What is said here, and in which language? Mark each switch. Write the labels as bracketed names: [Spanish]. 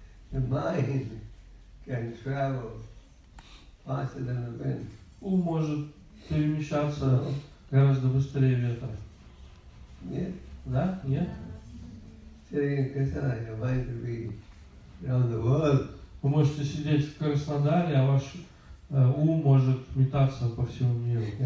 [English] The mind can travel faster than the wind. [Russian] Ум может перемещаться гораздо быстрее ветра. Нет? Да? Нет? [English] Sitting in Krishna, your mind could be around the world. [Russian] Вы можете сидеть в Краснодаре, а ваш ум может метаться по всему миру.